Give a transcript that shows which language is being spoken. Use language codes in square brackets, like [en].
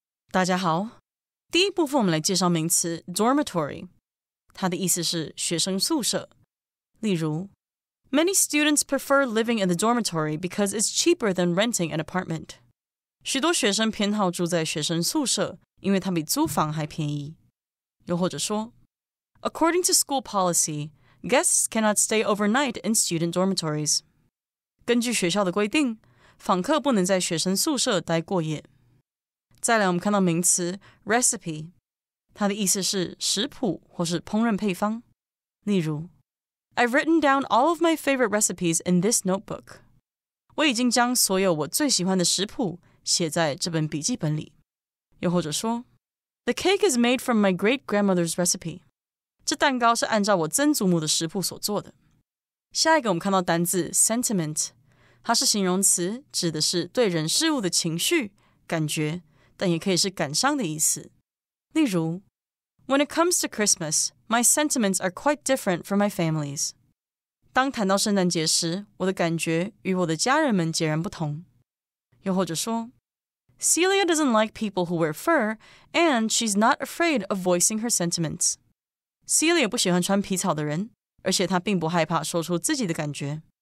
[zh] 大家好，第一部分我们来介绍名词 dormitory， 它的意思是学生宿舍。例如 [en] ，Many students prefer living in the dormitory because it's cheaper than renting an apartment。 [zh] 许多学生偏好住在学生宿舍，因为它比租房还便宜。又或者说 [en] ，According to school policy, guests cannot stay overnight in student dormitories。 [zh] 根据学校的规定，访客不能在学生宿舍待过夜。再来我们看到名词 recipe， 它的意思是食谱或是烹饪配方。例如 [en] I've written down all of my favorite recipes in this notebook. [zh] 我已经将所有我最喜欢的食谱写在这本笔记本里。又或者说 [en] The cake is made from my great-grandmother's recipe. [zh] 这蛋糕是按照我曾祖母的食谱所做的。下一个我们看到单字 sentiment， 它是形容词，指的是对人事物的情绪、感觉。但也可以是感伤的意思。例如 [en] When it comes to Christmas, my sentiments are quite different from my family's. [zh] 当谈到圣诞节时，我的感觉与我的家人们截然不同。又或者说 [en] Celia doesn't like people who wear fur, and she's not afraid of voicing her sentiments. [zh] Celia 不喜欢穿皮草的人，而且她并不害怕说出自己的感觉。